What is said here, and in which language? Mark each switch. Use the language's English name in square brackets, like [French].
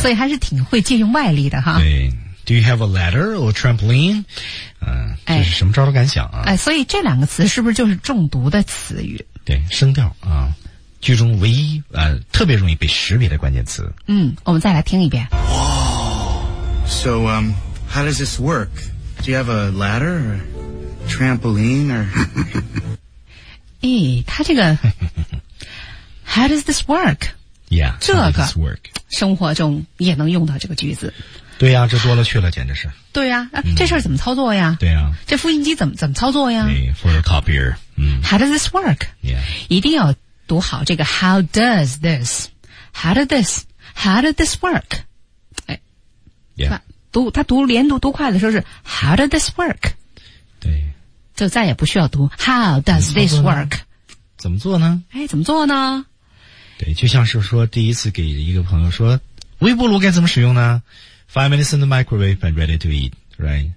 [Chinese] 所以还是挺会借用外力的哈。 [English] 对。Do you have a ladder or trampoline? [Chinese] 嗯、这是什么招都敢想啊。哎，所以这两个词是不是就是中毒的词语？对，声调啊，剧中唯一特别容易被识别的关键词。嗯，我们再来听一遍。 [English] So, how does this work? Do you have a ladder or trampoline or... 咦，他这个 How does this work? Yeah, [Chinese] 这个生活中也能用到这个句子。对呀、啊，这多了去了，简直是。对呀、啊这事儿怎么操作呀？对呀、这复印机怎么操作呀？对 ，photocopier。 [English] How does this work? Yeah. [Chinese] 一定要读好这个 [English] How does this? How does this? How does this work? 哎，Yeah. [Chinese] 读他读连读读快的时候是 [English] How does this work? [Chinese] 对。就再也不需要读 [English] How does this work? [Chinese] 怎么做呢？哎，怎么做呢？对，就像是说第一次给一个朋友说微波炉该怎么使用呢？ [English] 5 minutes in the microwave and ready to eat, right?